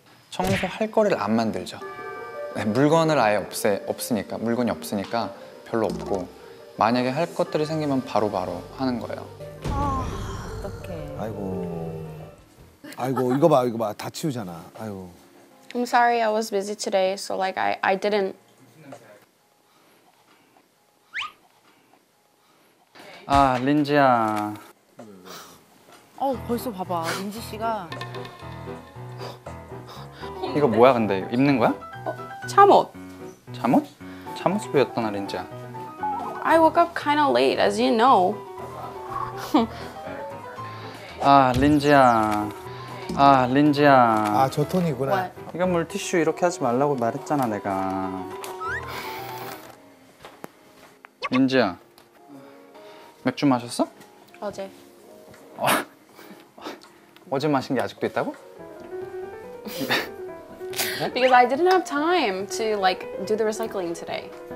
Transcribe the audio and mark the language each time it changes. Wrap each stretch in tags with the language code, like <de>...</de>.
<ko>청소할 거리를 안 만들죠. 물건을 아예 없으니까 물건이 없으니까 별로 없고 만약에 할 것들이 생기면 바로 하는 거예요. 어떡해. 아이고 이거 봐 다 치우잖아. 아이고.</ko> <en>I'm sorry, I was busy today, so like I didn't.</en> <ko>아 린지야. 어 벌써 봐봐 린지 씨가. 이거 뭐야 근데 입는 거야? 잠옷. 잠옷? 잠옷 왜 입었던 아린지야?</ko> <en>I woke up kind of late, as you know.</en> <ko>아 린지야. 아 린지야. 아 저 톤이구나. 이건 물티슈 이렇게 하지 말라고 말했잖아 내가. 린지야. 맥주 마셨어? 어제. 어제 마신 게 아직도 있다고?</ko> <en>Because I didn't have time to like do the recycling today.</en>